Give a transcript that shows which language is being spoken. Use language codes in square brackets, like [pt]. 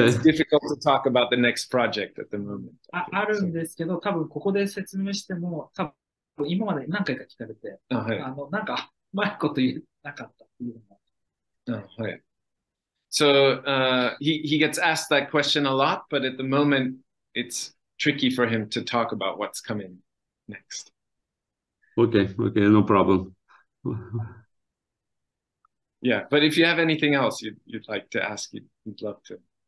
[en] It's difficult to talk about the next project at the moment. [ja] あるんですけど、多分ここで説明しても、多分今まで何回か聞かれて、なんかうまいこと言えなかったっていうのも。 [en] So he gets asked that question a lot, but at the moment it's tricky for him to talk about what's coming next. Okay, no problem. Yeah, but if you have anything else you'd like to ask, you'd love to.